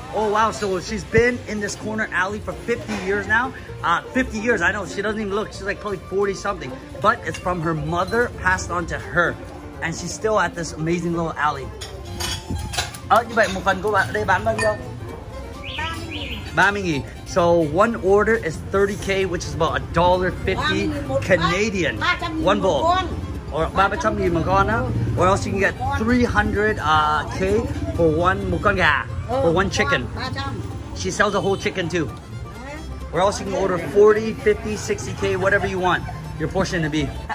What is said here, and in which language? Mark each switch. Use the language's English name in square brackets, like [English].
[English] Oh wow, so she's been in this corner alley for 50 years now. 50 years, I know. She doesn't even look. She's like probably 40 something. But it's from her mother passed on to her. And she's still at this amazing little alley. [Vietnamese] Như vậy một phần cô bạn đây bán bao nhiêu? 30.000. [English] So one order is 30K, which is about $1.50 Canadian. One bowl. Or 300.000 [Vietnamese] một con á. [English] Or else you can get 300K for one [Vietnamese] một con gà. [English] For one chicken. She sells a whole chicken too. Or else you can order 40, 50, 60K, whatever you want your portion to be.